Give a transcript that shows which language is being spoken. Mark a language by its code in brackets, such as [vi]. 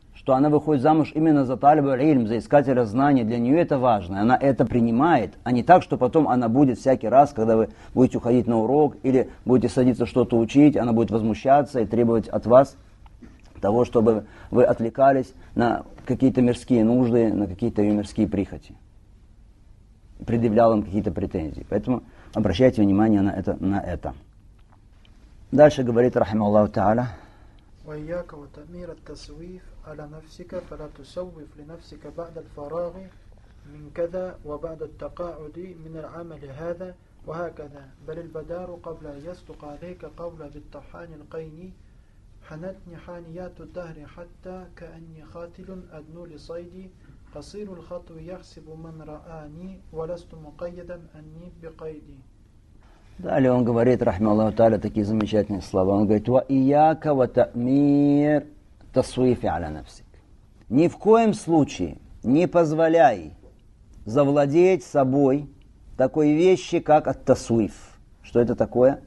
[ru] Что она выходит замуж именно за талиба ильм, за искателя знаний, для нее это важно, она это принимает, а не так, что потом она будет всякий раз, когда вы будете уходить на урок или будете садиться что-то учить, она будет возмущаться и требовать от вас того, чтобы вы отвлекались на какие-то мирские нужды, на какие-то ее мирские прихоти, предъявляла им какие-то претензии. Поэтому обращайте внимание на это. Дальше говорит [ar] рахима Аллаху тааля. وإياك وتأمير التسويف على نفسك فلا تسوف لنفسك بعد الفراغ من كذا وبعد التقاعد من العمل هذا وهكذا بل البدار قبل أن يصدق عليك قول بالطحان القين حنتني حانيات الدهر حتى كأني خاتل أدنو لصيدي قصير الخطو يحسب من رآني ولست مقيدا أني بقيدي. [ru] Далее он говорит, [ar] рахима Аллаху тааля, [ru] такие замечательные слова. Он говорит, [ar] «Ва ияка ва тамир тасуифи аля нафсик». [ru] Ни в коем случае не позволяй завладеть собой такой вещи, как ат-тасуиф. Что это такое?